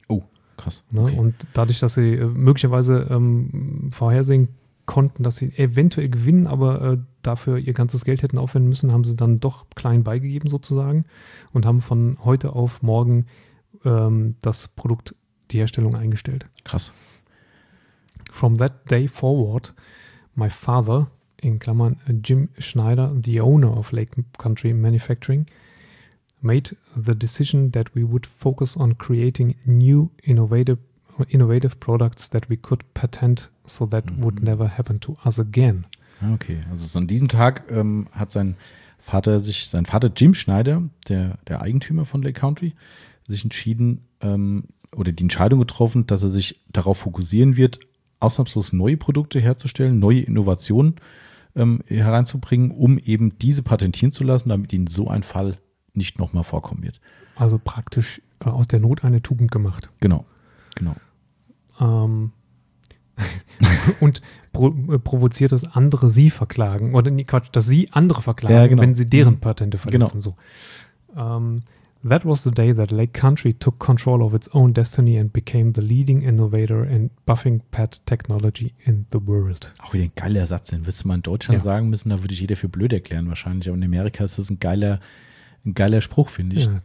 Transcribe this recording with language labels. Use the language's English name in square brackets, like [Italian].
[German] Oh, krass. Ne? Okay. Und dadurch, dass sie möglicherweise vorhersehen konnten, dass sie eventuell gewinnen, aber dafür ihr ganzes Geld hätten aufwenden müssen, haben sie dann doch klein beigegeben sozusagen und haben von heute auf morgen das Produkt, die Herstellung eingestellt. Krass. [English] From that day forward, my father, [German] in Klammern [English] Jim Schneider, the owner of Lake Country Manufacturing, made the decision that we would focus on creating new innovative products that we could patent, so that would never happen to us again. [German] Okay, also so an diesem Tag hat sein Vater Jim Schneider, der Eigentümer von Lake Country, sich entschieden oder die Entscheidung getroffen, dass er sich darauf fokussieren wird, ausnahmslos neue Produkte herzustellen, neue Innovationen hereinzubringen, um eben diese patentieren zu lassen, damit ihnen so ein Fall nicht nochmal vorkommen wird. Also praktisch aus der Not eine Tugend gemacht. Genau, genau. und provoziert, dass andere sie verklagen, oder nee, Quatsch, dass sie andere verklagen, ja, genau, wenn sie deren Patente verletzen. Genau. So. That was the day that Lake Country took control of its own destiny and became the leading innovator in buffing pad technology in the world. Auch wieder ein geiler Satz, den wirst du mal in Deutschland sagen müssen, da würde ich jeder für blöd erklären wahrscheinlich, aber in Amerika ist das ein geiler Spruch, finde ich. Yeah,